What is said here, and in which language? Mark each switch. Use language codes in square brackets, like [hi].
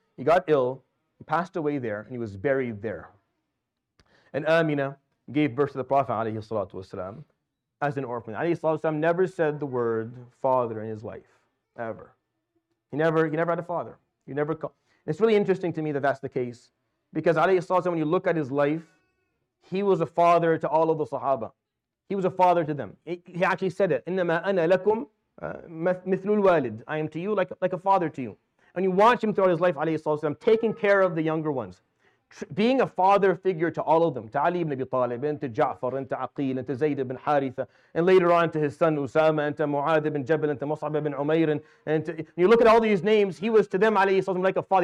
[en] He got ill, he passed away there, and he was buried there. And Amina gave birth to the Prophet alayhi salatu wasalam as an orphan. Alayhi salatu wasalam never said the word father in his life, ever. He never had a father. It's really interesting to me that that's the case, because alayhi salatu wasalam, when you look at his life, he was a father to all of the Sahaba. He was a father to them. He actually said it, [ar] إِنَّمَا أَنَا لَكُمْ مِثْلُ الْوَالِدِ. [en] I am to you like a father to you. And you watch him throughout his life, alayhi salatu wasalam, taking care of the younger ones, being a father figure to all of them, to Ali ibn Abi Talib, and to Ja'far, and to Aqil, and to Zayd ibn Haritha, and later on to his son Usama, and to Mu'adh ibn Jabal, and to Mus'ab ibn Umayr, and you look at all these names, he was to them, alayhi salam, like a father.